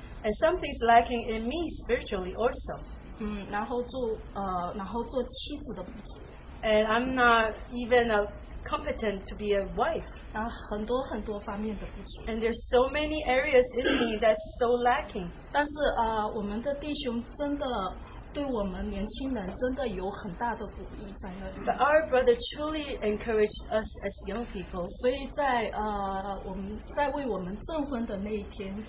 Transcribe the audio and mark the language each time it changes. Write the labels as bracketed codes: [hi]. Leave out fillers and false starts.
[en] And something's lacking in me spiritually also. [zh] 然后做妻子的不足。 [en] And I'm not even competent to be a wife. [zh] 很多很多方面的不足。 [en] And there's so many areas in me that's so lacking. [zh] 但是我们的弟兄真的对我们年轻人真的有很大的鼓励在那里。 [en] But our brother truly encouraged us as young people. [zh] 所以在我们在为我们证婚的那一天。